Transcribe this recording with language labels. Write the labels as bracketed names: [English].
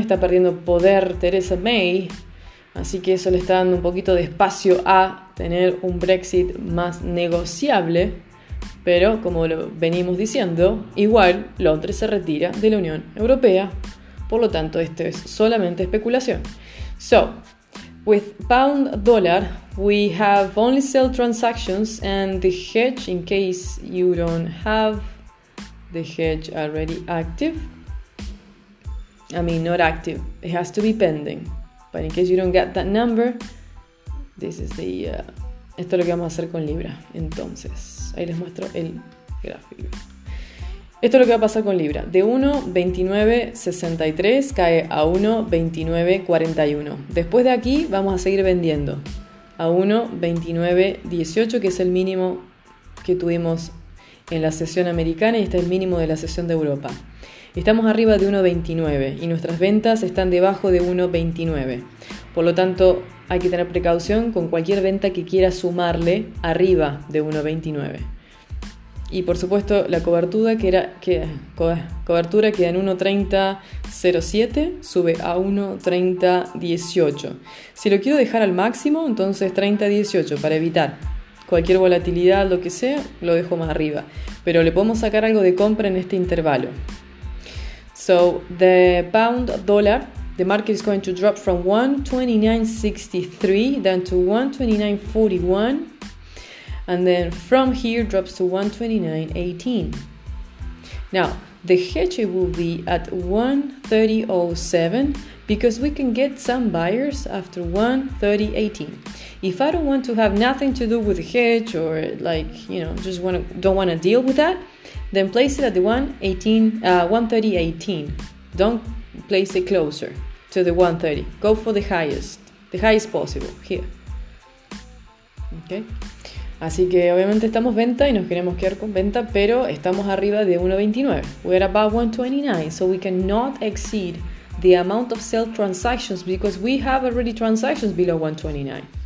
[Spanish] Está perdiendo poder Theresa May. Así que eso le está dando un poquito de espacio a tener un Brexit más negociable. Pero, como lo venimos diciendo, igual Londres se retira de la Unión Europea. Por lo tanto, esto es solamente especulación. [English] So, with pound dollar, we have only sell transactions and the hedge, in case you don't have the hedge already active. I mean, not active. It has to be pending. But in case you don't get that number, this is the... [Spanish] Esto es lo que vamos a hacer con Libra. Entonces, ahí les muestro el gráfico. Esto es lo que va a pasar con Libra. De 1.2963 cae a 1.2941. Después de aquí vamos a seguir vendiendo a 1.2918, que es el mínimo que tuvimos en la sesión americana y este es el mínimo de la sesión de Europa. Estamos arriba de 1.29 y nuestras ventas están debajo de 1.29. Por lo tanto, hay que tener precaución con cualquier venta que quiera sumarle arriba de 1.29. Y por supuesto, la cobertura queda en 1.3007, sube a 1.3018. Si lo quiero dejar al máximo, entonces 3018 para evitar cualquier volatilidad, lo que sea, lo dejo más arriba. Pero le podemos sacar algo de compra en este intervalo. [English] So, the pound dollar, the market is going to drop from 1.2963 down to 1.2941. And then from here drops to 1.2918. Now, the hedge will be at 1.3007 because we can get some buyers after 1.3018. If I don't want to have nothing to do with the hedge or don't want to deal with that, then place it at the 1.3018. Don't place it closer to the 1.30. Go for the highest possible here. Okay? [Spanish] Así que obviamente estamos venta y nos queremos quedar con venta, pero estamos arriba de 1.29. [English] We're above 1.29, so we cannot exceed the amount of sell transactions because we have already transactions below 1.29.